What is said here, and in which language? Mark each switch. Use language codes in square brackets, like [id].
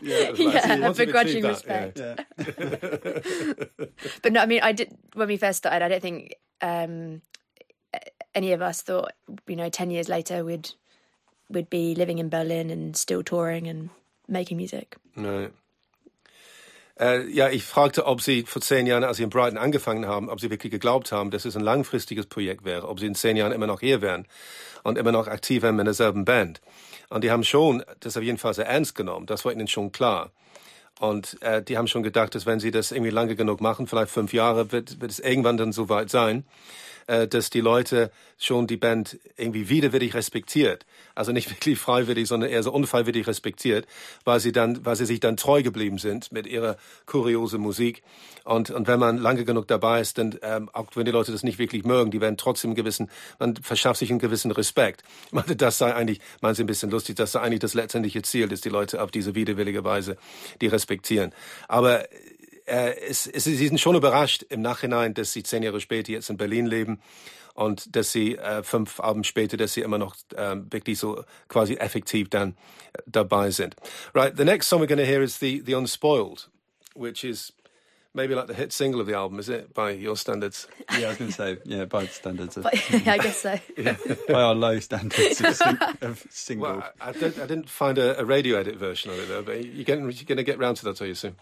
[en] Yeah, begrudging respect. Yeah. But no, I mean, when we first started, I don't think any of us thought, you know, 10 years later we'd be living in Berlin and still touring and making music. No. [de] Ja, ich fragte, ob Sie vor 10 Jahren, als Sie in Brighton angefangen haben, ob Sie wirklich geglaubt haben, dass es ein langfristiges Projekt wäre, ob Sie in 10 Jahren immer noch hier wären und immer noch aktiv in derselben Band. Und die haben schon das auf jeden Fall sehr ernst genommen. Das war ihnen schon klar. Und die haben schon gedacht, dass wenn sie das irgendwie lange genug machen, vielleicht 5 Jahre, wird es irgendwann dann so weit sein, dass die Leute schon die Band irgendwie widerwillig respektiert. Also nicht wirklich freiwillig, sondern eher so unfreiwillig respektiert, weil sie sich dann treu geblieben sind mit ihrer kuriosen Musik. Und wenn man lange genug dabei ist, dann, auch wenn die Leute das nicht wirklich mögen, die werden trotzdem gewissen, man verschafft sich einen gewissen Respekt. Ich meine, das sei eigentlich, meinen Sie ein bisschen lustig, das sei eigentlich das letztendliche Ziel, dass die Leute auf diese widerwillige Weise die respektieren. Aber sie sind schon überrascht im Nachhinein, dass sie 10 Jahre später jetzt in Berlin leben und dass sie 5 Alben später, dass sie immer noch wirklich so quasi effektiv dann dabei sind. [en] Right, the next song we're going to hear is the Unspoiled, which is maybe like the hit single of the album, is it, by your standards? Yeah, I was going to say, yeah, by the standards. But, yeah, I guess so. Yeah. By our low standards of single. Well, I didn't find a radio edit version of it, though, but you're going to get round to that, are you, soon?